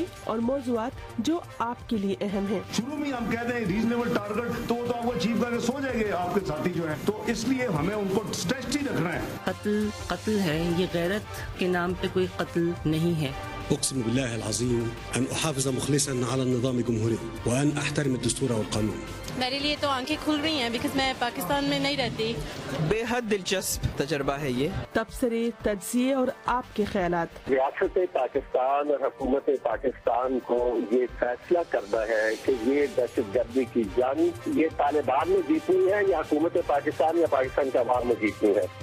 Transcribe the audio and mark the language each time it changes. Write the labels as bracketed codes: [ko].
[ur] اور موضوعات جو آپ کے لیے اہم ہیں، شروع میں ہم کہتے ہیں ریزنیبل ٹارگٹ تو آپ کو اچیو کر کے سو جائیں گے آپ کے ساتھی جو ہیں، تو اس لیے ہمیں ان کو سٹریچڈ ہی رکھنا ہے۔ قتل قتل ہے، یہ غیرت کے نام پہ کوئی قتل نہیں ہے۔ [ar] اقسم باللہ العظیم ان احافظ مخلصا على النظام الجمهوري وان احترم الدستور والقانون۔ [ur] میرے لیے تو آنکھیں کھل رہی ہیں بیکاز میں پاکستان میں نہیں رہتی۔ بے حد دلچسپ تجربہ ہے یہ۔ تبصرے، تجزیے اور آپ کے خیالات۔ ریاست پاکستان اور حکومت پاکستان کو یہ فیصلہ کرنا ہے کہ یہ دہشت گردی کی جنگ یہ طالبان نے جیتنی ہے یا حکومت پاکستان یا پاکستان کا عوام نے جیتنی ہے۔